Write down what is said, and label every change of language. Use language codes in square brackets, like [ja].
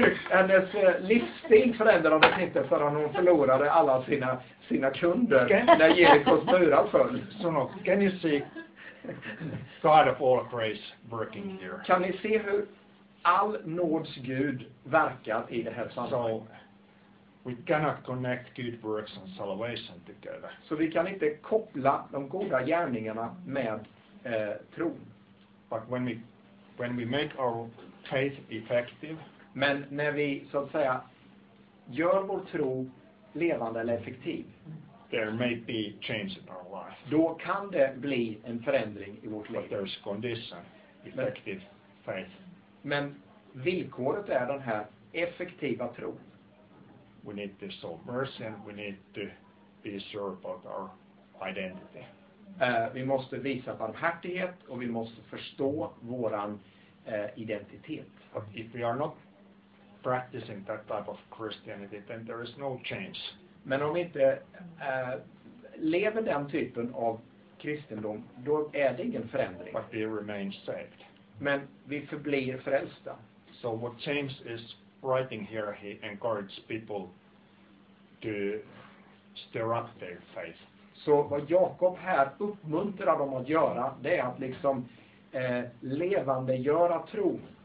[sv] Hennes livsstil förändrades inte förrän hon förlorade alla sina kunder när Jerikos murar föll. [en] So no, can you see God of all grace working here? [sv] Kan ni se hur all nåds Gud verkar i det här sammanhanget? [en] We cannot connect good works and salvation together. [sv] Så vi kan inte koppla de goda gärningarna med tron. [en] But when we make our faith effective, [sv] men när vi så att säga gör vår tro levande eller effektiv, [en] there may be change in our life. [sv] Då kan det bli en förändring i vårt liv. [en] But there's condition, effective faith. [sv] Men villkoret är den här effektiva tron. [en] We need to show mercy and we need to be sure about our identity. [sv] Vi måste visa barmhärtighet och vi måste förstå våran identitet. [en] But if we are not practicing that type of Christianity, then there is no change. [sv] Men om vi inte lever den typen av kristendom, då är det ingen förändring. [en] But we remain saved. [sv] Men vi förblir frälsta. [en] So what James is writing here, he encourages people to stir up their faith. [sv] Så vad Jakob här uppmuntrar dem att göra, det är att liksom levandegöra tro.